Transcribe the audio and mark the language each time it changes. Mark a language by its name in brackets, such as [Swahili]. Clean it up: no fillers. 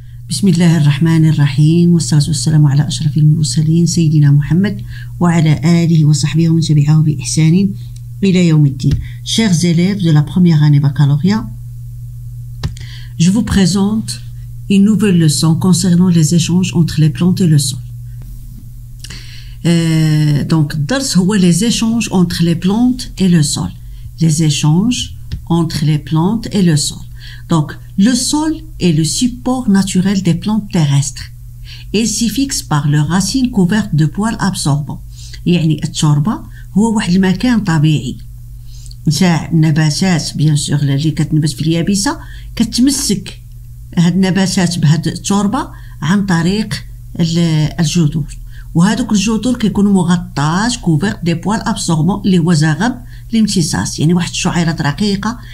[Arabic] بسم الله الرحمن الرحيم، والصلاة والسلام على أشرف المرسلين سيدنا محمد وعلى آله وصحبه ومن تبعه بإحسان إلى يوم الدين. [French] Chers élèves de la première année baccalauréat, je vous présente une nouvelle leçon concernant les échanges entre les plantes et le sol. Donc, [Arabic] درس هو [French] les échanges entre les plantes et le sol. Les échanges entre les plantes et le sol. Donc, le sol est le support naturel des plantes terrestres. Il s'y fixe par leurs racines couvertes de poils absorbants. [Arabic] يعني التربة هو واحد المكان طبيعي. نتاع النباتات بيان سور اللي كتنبت في اليابسة كتمسك هاد النباتات بهاد التربة عن طريق الجذور. وهذوك الجذور كيكونوا مغطاس كوفيرت دي بوال ابسوربون اللي هو زغب الامتصاص، يعني واحد الشعيرات رقيقه.